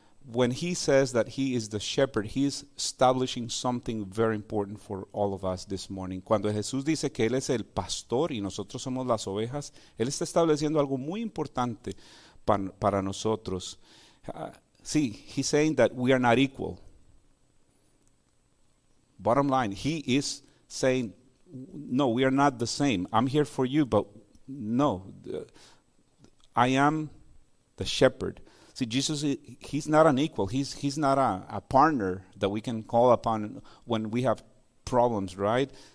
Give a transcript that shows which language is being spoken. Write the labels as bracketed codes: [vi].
[en] When he says that he is the shepherd, he is establishing something very important for all of us this morning. [es] Cuando Jesús dice que él es el pastor y nosotros somos las ovejas, él está estableciendo algo muy importante para nosotros. Sí, [en] he's saying that we are not equal. Bottom line, he is saying, no, we are not the same. I'm here for you, but no, I am the shepherd. See, Jesus, he's not an equal. He's not a partner that we can call upon when we have problems, right?